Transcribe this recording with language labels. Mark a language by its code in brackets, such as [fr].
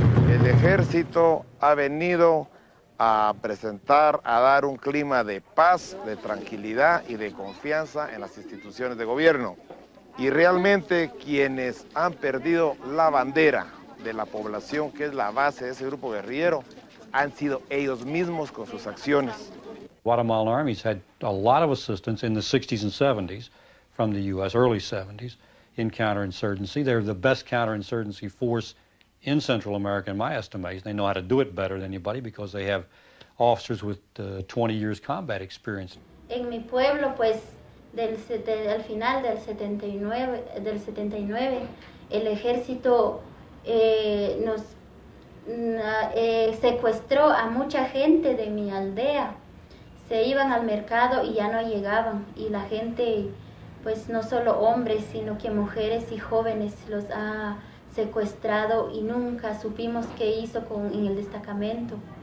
[es] El ejército ha venido a presentar, a dar un clima de paz, de tranquilidad y de confianza en las instituciones de gobierno. Y realmente quienes han perdido la bandera de la población, que es la base de ese grupo guerrillero, han sido ellos mismos con sus acciones. [en] Guatemalan armies had a lot of assistance in the 60s and 70s from the U.S., early 70s, in counterinsurgency. They're the best counterinsurgency force in Central America, in my estimation. They know how to do it better than anybody because they have officers with 20 years combat experience. [es] En mi pueblo, pues, al final del 79, el ejército secuestró a mucha gente de mi aldea. Se iban al mercado y ya no llegaban. Y la gente, pues no solo hombres, sino que mujeres y jóvenes los ha secuestrado y nunca supimos qué hizo en el destacamento.